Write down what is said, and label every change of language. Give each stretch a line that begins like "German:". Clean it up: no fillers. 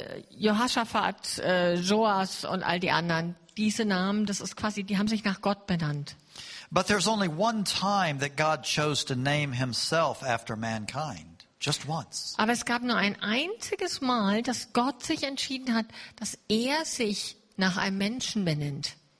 German: Jehoshaphat, Joas und all die anderen, diese Namen, das ist quasi, die haben sich nach Gott benannt.
English: But there's only one time that God chose to name himself after mankind, just once.
German: Aber es gab nur ein einziges Mal, dass Gott sich entschieden hat, dass er sich nach einem Menschen benennt.